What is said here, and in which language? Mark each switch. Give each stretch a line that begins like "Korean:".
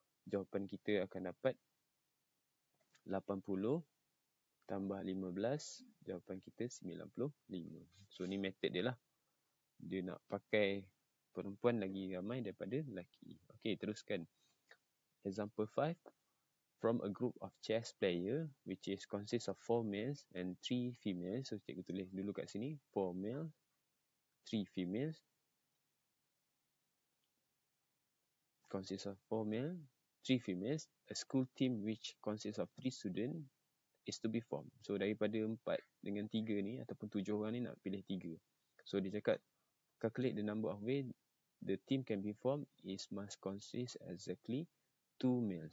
Malay: Jawapan kita akan dapat 80 tambah 15. Jawapan kita 95. So, ni method dia lah. Dia nak pakai perempuan lagi ramai daripada lelaki. Okay, teruskan. Example 5.
English: From a group of chess players, which is consists of 4 males and 3 females.
Malay: So, cikgu tulis dulu kat sini.
English: 4 males, 3 females. Consists of 4 males, 3 females. A school team which consists of 3 students is to be formed.
Malay: So, daripada 4 dengan 3 ni, ataupun 7 orang ni nak pilih 3.
English: So,
Malay: dia cakap,
English: calculate the number of ways the team can be formed is must consist exactly 2 males.